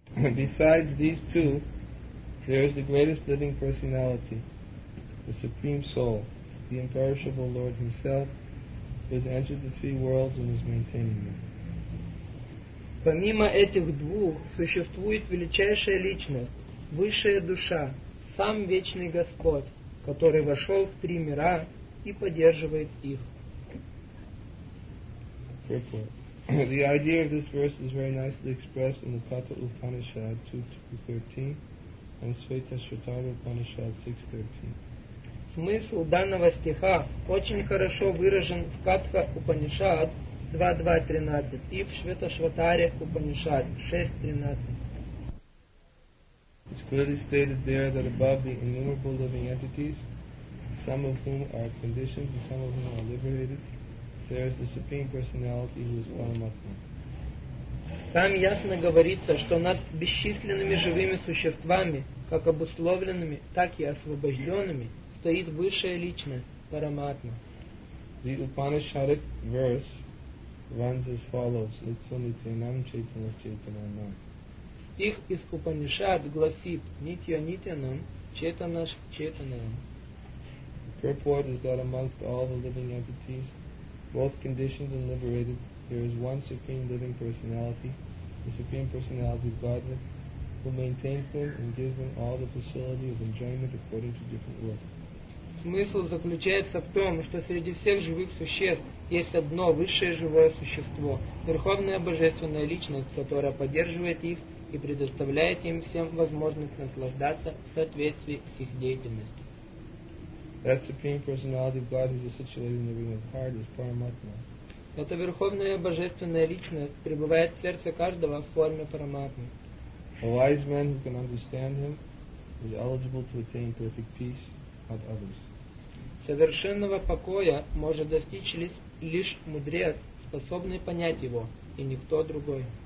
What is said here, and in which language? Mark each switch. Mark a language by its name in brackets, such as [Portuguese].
[English] Besides these two, there is the greatest living personality, the Supreme Soul, the imperishable Lord Himself, who has entered the three worlds and is maintaining them. [Russian] Помимо этих двух существует величайшая личность, высшая душа, сам вечный Господь, который вошел в три мира и поддерживает их. [English] The idea of this verse is very nicely expressed in the Tata Upanishad 2.2.13 and Svetashvatara Upanishad 6.13. [Russian] Смысл данного стиха очень хорошо выражен в Катха Упанишад 2.2.13 и в Шветашватаре Упанишад 6.13. [English] It's clearly stated there that above the innumerable living entities, some of whom are conditioned and some of whom are liberated, there is the Supreme Personality who is Paramatma. [Russian] Там ясно говорится, что над бесчисленными живыми существами, как обусловленными, так и освобожденными, стоит высшая личность, Параматма. [English] The Upanishadic verse runs as follows: [Sanskrit] Nityanam Chaitanya Chaitanam. [Russian] Стих из Упанишад гласит: [Sanskrit] Nitya Nityanam Chaitanya Chaitanam. [English] The purport is that amongst all the living entities, both conditioned and liberated, there is one supreme living personality, the supreme personality of Godhead, who maintains them and gives them all the facility of enjoyment according to different worlds. [Russian] Смысл заключается в том, что среди всех живых существ есть одно высшее живое существо, верховная божественная личность, которая поддерживает их и предоставляет им всем возможность наслаждаться в соответствии с их деятельностью. [English] That supreme personality of Godhead is situated in the realm of heart is Paramatma. [Russian] Эта верховная божественная личность пребывает в сердце каждого в форме Параматмы. [English] A wise man who can understand him is eligible to attain perfect peace, not others. [Russian] Совершенного покоя может достичь лишь мудрец, способный понять его, и никто другой.